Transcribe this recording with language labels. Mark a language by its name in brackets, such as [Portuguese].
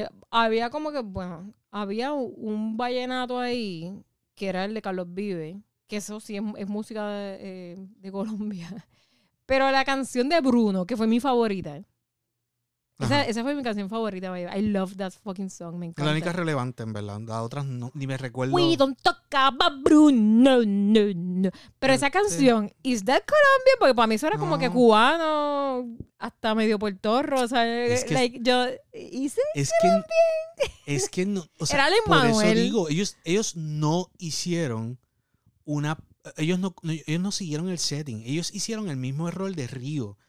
[Spanish] Había como que, bueno, había un vallenato ahí que era el de Carlos Vives, que eso sí es música de Colombia. Pero la canción de Bruno, que fue mi favorita. Esa fue mi canción favorita. [English] I love that fucking song, [Spanish] me encanta. La única relevante, en verdad. Las otras no, ni me recuerdo. [English] We don't talk about Bruno, no. [Spanish] Pero esa canción, [English] is that Colombia? [Spanish] Porque para mí eso era como que cubano, hasta medio puertorro. O sea, es que, yo hice es que también. Es que no. O sea, era Lin Manuel. Por eso digo, ellos no hicieron una... Ellos no siguieron el setting. Ellos hicieron el mismo error de Río.